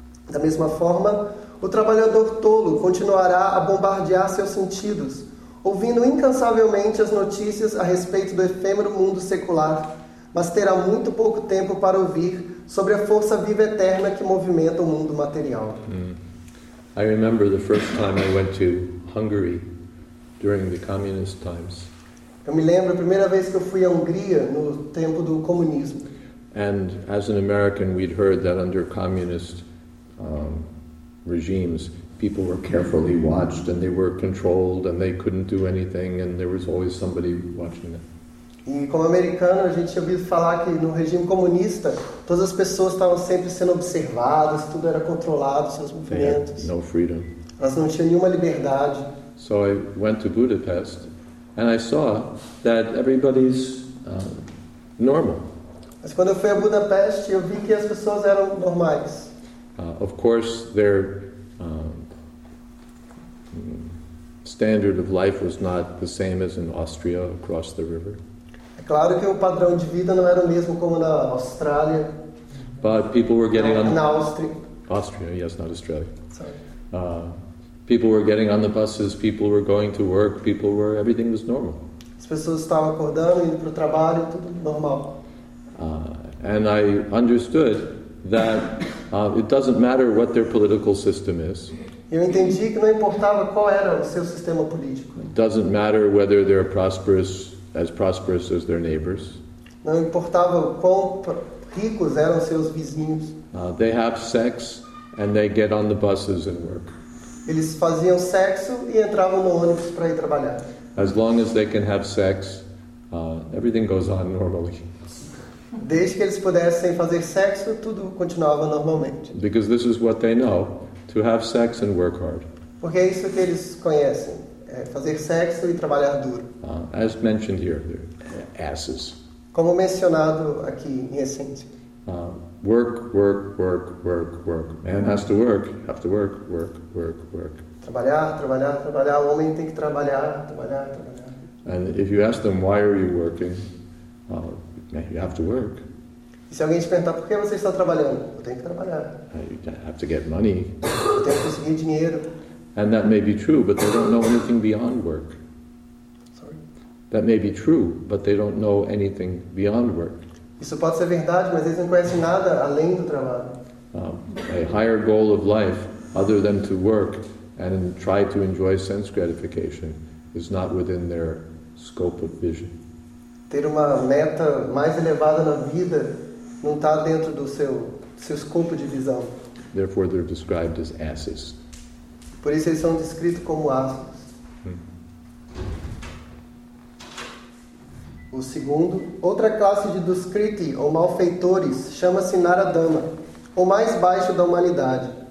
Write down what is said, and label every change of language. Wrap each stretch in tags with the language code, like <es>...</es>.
<pt>Da mesma forma, o trabalhador tolo continuará a bombardear seus sentidos, ouvindo incansavelmente as notícias a respeito do efêmero mundo secular, mas terá muito pouco tempo para ouvir sobre a força viva eterna que movimenta o mundo material.</pt> <en>I remember the first time I went to Hungary during the communist times.</en> <pt>Eu me lembro a primeira vez que eu fui à Hungria no tempo do comunismo.</pt> <en>And as an American, we'd heard that under communist regimes, people were carefully watched and they were controlled and they couldn't do anything and there was always somebody watching them.</en> <pt>E como americano, a gente tinha ouvido falar que no regime comunista, todas as pessoas estavam sempre sendo observadas, tudo era controlado, seus movimentos.</pt> <en>No freedom.</en> <pt>Elas não tinham nenhuma liberdade.</pt> <en>So I went to Budapest and I saw that everybody's normal.</en> <pt>Mas quando eu fui a Budapeste, eu vi que as pessoas eram normais.</pt> <en>Of course, their standard of life was not the same as in Austria across the river.</en> <pt>É claro que o padrão de vida não era o mesmo como na Austrália.</pt> <en>But people were getting on</en> <pt>na Áustria.</pt> <en>Austria, yes, not Australia. Sorry. People were getting on the buses, people were going to work, people were, everything was normal.</en> <pt>As pessoas estavam acordando, indo para o trabalho, tudo normal.</pt> <en>And I understood that it doesn't matter what their political system is.</en> <pt>Eu entendi que não importava qual era o seu sistema político.</pt> <en>It doesn't matter whether they're prosperous as their neighbors.</en> <pt>Não importava quão ricos eram seus vizinhos.</pt> <en>They have sex and they get on the buses and work.</en> <pt>Eles faziam sexo e entravam no ônibus para ir trabalhar.</pt> <en>As long as they can have sex, everything goes on normally.</en> <pt>Desde que eles pudessem fazer sexo, tudo continuava normalmente.</pt> <en>Because this is what they know, to have sex and work hard.</en> <pt>Porque é isso que eles conhecem, é fazer sexo e trabalhar duro.</pt> <en>As mentioned here, they're asses.</en> <pt>Como mencionado aqui em essência.</pt> <en>Work. Man has to work, have to work, work.</en> <pt>Trabalhar. O homem tem que trabalhar.</pt> <en>And if you ask them, why are you working? You have to work.</en> <pt>E se alguém te perguntar, por que você está trabalhando? Eu tenho que trabalhar.</pt> <en>You have to get money.</en> <pt>Eu tenho que conseguir dinheiro.</pt> <en>And that may be true, but they don't know anything beyond work. Sorry. That may be true, but they don't know anything beyond work.</en> <pt>Isso pode ser verdade, mas eles não conhecem nada além do trabalho.</pt> <en>A higher goal of life, other than to work and try to enjoy sense gratification, is not within their scope of vision.</en> <pt>Ter uma meta mais elevada na vida não está dentro do seu escopo de visão.</pt> <en>Therefore, they're described as asses.</en> <pt>Por isso eles são descritos como assos. O segundo, outra classe de duskriti, ou malfeitores, chama-se Naradama, o mais baixo da humanidade.</pt>